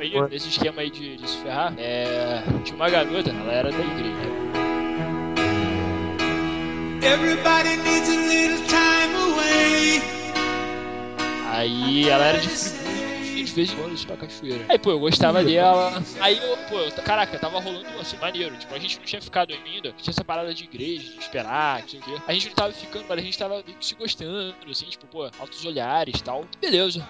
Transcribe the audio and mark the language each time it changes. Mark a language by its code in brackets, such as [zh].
[pt] Nesse esquema aí de se ferrar, tinha uma garota, ela era da igreja. [en] Everybody needs a little time away. [pt] Aí ela era de vez em quando pra cachoeira. Aí, pô, eu gostava dela. Aí caraca, tava rolando assim, maneiro. Tipo, a gente não tinha ficado ainda. Tinha essa parada de igreja, de esperar, não sei o quê. A gente não tava ficando, mas a gente tava meio que se gostando, assim, tipo, pô, altos olhares e tal. Beleza.